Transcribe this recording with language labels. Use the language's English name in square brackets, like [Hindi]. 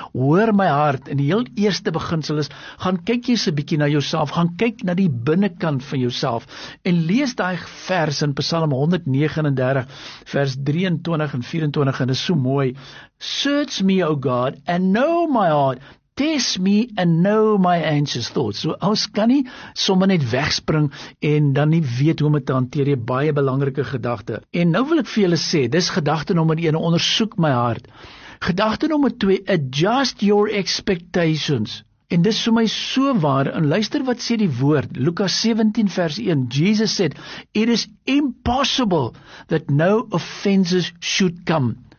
[Afrikaans] Hoor my hart, en die heel eerste beginsel is, gaan kyk jy so 'n bietjie na jouself, gaan kyk na die binnekant van jouself en lees daai vers in Psalm 139 vers 23 en 24 en dis so mooi. [English] Search me, O God, and know my heart. Test me and know my anxious thoughts. [Afrikaans] So ons kan nie sommer net wegspring en dan nie weet hoe om dit te hanteer, jy baie belangrike gedagte. En nou wil ek vir julle sê, dis gedagte nommer 1, ondersoek my hart. Gedagte nommer 2, [English] adjust your expectations. [Afrikaans] En dis vir my so waar, en luister wat sê die woord, Lukas 17 vers 1, [English] Jesus said, it is impossible that no offenses should come.